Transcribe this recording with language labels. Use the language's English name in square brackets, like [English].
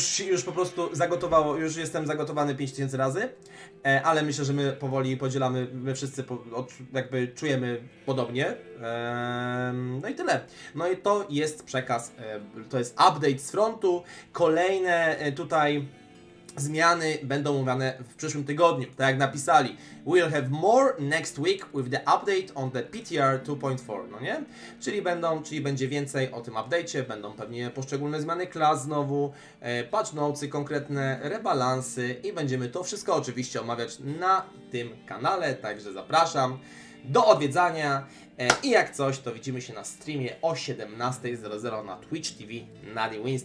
[Polish] Już po prostu zagotowało, już jestem zagotowany 5000 razy. Ale myślę, że my powoli podzielamy, my wszyscy jakby czujemy podobnie. No i tyle. No i to jest przekaz, to jest update z frontu. Kolejne tutaj zmiany będą omawiane w przyszłym tygodniu. Tak jak napisali, [English] we'll have more next week with the update on the PTR 2.4, [Polish] no nie? Czyli będzie więcej o tym update'cie, będą pewnie poszczególne zmiany klas znowu, patch notes'y konkretne, rebalansy i będziemy to wszystko oczywiście omawiać na tym kanale, także zapraszam do odwiedzania i jak coś, to widzimy się na streamie o 17.00 na Twitch TV na The Wins.